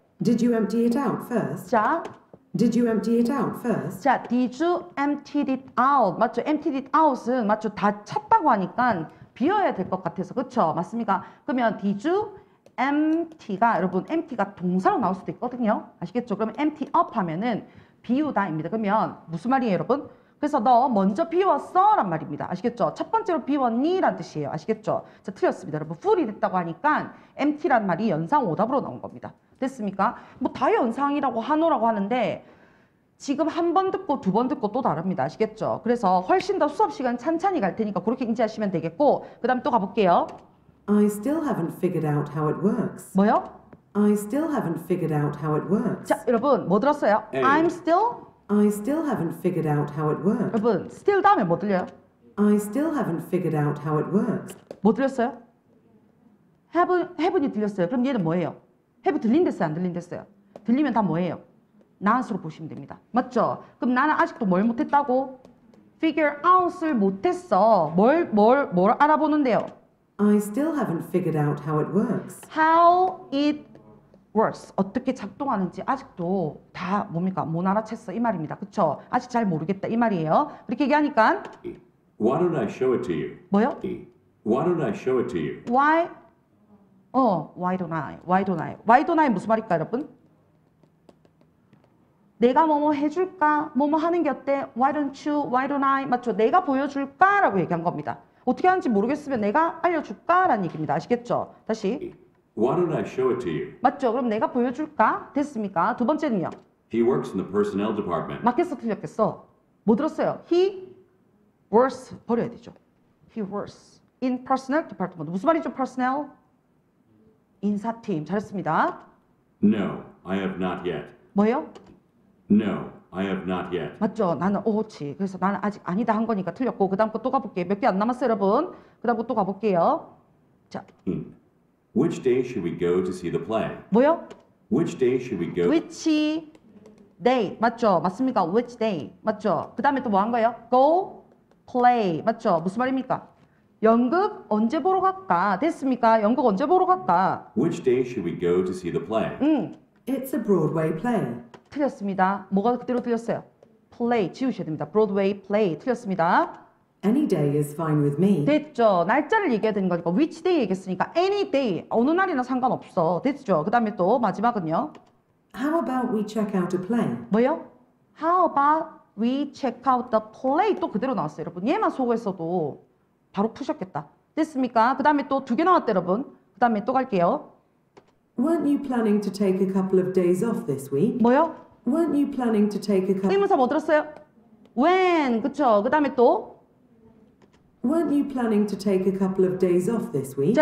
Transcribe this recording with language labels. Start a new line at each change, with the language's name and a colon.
English: Did you empty it out first?
Korean: 자
English: Did you empty it out first? 자, did you empty it out? 맞죠? Empty it out은 맞죠?
Korean: 다 찼다고 하니까 비어야 될 것 같아서 그렇죠? 맞습니까? 그러면 did you empty가 여러분 empty가 동사로 나올 수도 있거든요. 아시겠죠? 그러면 empty up 하면은 비우다입니다. 그러면 무슨 말이에요, 여러분? 그래서 너 먼저 비웠어란 말입니다. 아시겠죠? 첫 번째로 비웠니란 뜻이에요. 아시겠죠? 자, 틀렸습니다, 여러분. full이 됐다고 하니까 empty란 말이 연상 오답으로 나온 겁니다. 됐습니까? 뭐 다 연상이라고 한호라고 하는데. 지금 한 번 듣고 두 번 듣고 또 다릅니다. 아시겠죠? 그래서 훨씬 더 수업 시간 찬찬히 갈 테니까 그렇게 인지하시면 되겠고 그 다음 또 가볼게요.
English: I still haven't figured out how it works.
Korean: 뭐요?
English: I still haven't figured out how it works.
Korean: 자, 여러분 뭐 들었어요? A.
English: I'm still? I still haven't figured out how it works.
Korean: 여러분 still 다음에 뭐 들려요?
English: I still haven't figured out how it works.
Korean: 뭐 들렸어요? haven't이 들렸어요. 그럼 얘는 뭐예요? have 들린 댔어요? 안 들린 댔어요? 들리면 다 뭐예요? not으로 보시면 됩니다. 맞죠? 그럼 나는 아직도 뭘 못했다고? figure out을 못했어. 뭘 알아보는데요?
English: I still haven't figured out how it works. How it works.
Korean: 어떻게 작동하는지 아직도 다 뭡니까? 못 알아챘어. 이 말입니다. 그쵸? 아직 잘 모르겠다. 이 말이에요. 그렇게 얘기하니까
English: Why don't I show it to you?
Korean: 뭐요?
English: Why don't I show it to you? Why? 어, why don't I? Why don't I?
Korean: Why don't I 무슨 말일까요, 여러분? 내가 뭐뭐 해줄까? 뭐뭐 하는 게 어때?
English: Why don't you? Why don't I?
Korean: 맞죠? 내가 보여줄까? 라고 얘기한 겁니다. 어떻게 하는지 모르겠으면 내가 알려줄까? 라는 얘기입니다. 아시겠죠? 다시
English: Why don't I show it to you?
Korean: 맞죠? 그럼 내가 보여줄까? 됐습니까? 두 번째는요?
English: He works in the personnel department.
Korean: 맞겠어? 틀렸겠어? 뭐 들었어요?
English: He works.
Korean: 버려야 되죠.
English: He works in personnel department.
Korean: 무슨 말이죠? personnel? 인사팀. 잘했습니다.
English: No, I have not yet.
Korean: 뭐예요?
English: No, I have not yet.
Korean: 맞죠? 나는 오치. 그래서 나는 아직 아니다 한 거니까 틀렸고 그 다음 거 또 가볼게요. 몇 개 안 남았어요, 여러분. 그 다음 거 또 가볼게요. 자.
English: Which day should we go to see the play?
Korean: 뭐요?
English: Which day should we go? Which day? 맞죠? 맞습니까? Which day? 맞죠?
Korean: 그 다음에 또 뭐 한 거예요?
English: Go play.
Korean: 맞죠? 무슨 말입니까? 연극 언제 보러 갈까? 됐습니까? 연극 언제 보러 갈까?
English: Which day should we go to see the play? It's a Broadway play.
Korean: 틀렸습니다. 뭐가 그대로 틀렸어요? play 지우셔야 됩니다. Broadway play 틀렸습니다.
English: Any day is fine with me.
Korean: 됐죠. 날짜를 얘기해야 되는 거니까 which day 얘기했으니까 any day 어느 날이나 상관없어. 됐죠. 그다음에 또 마지막은요.
English: How about we check out a play?
Korean: 뭐요?
English: How about we check out the play?
Korean: 또 그대로 나왔어요, 여러분. 얘만 속았어도 바로 푸셨겠다. 됐습니까? 그다음에 또 두 개 나왔대, 여러분. 그다음에 또 갈게요.
English: Weren't you planning to take a couple of days off this week?
Korean: 뭐요?
English: Weren't you planning to take a couple?
Korean: 의문사 뭐 들었어요? When, 그쵸? 그 다음에 또?
English: Weren't you planning to take a couple of days off this week?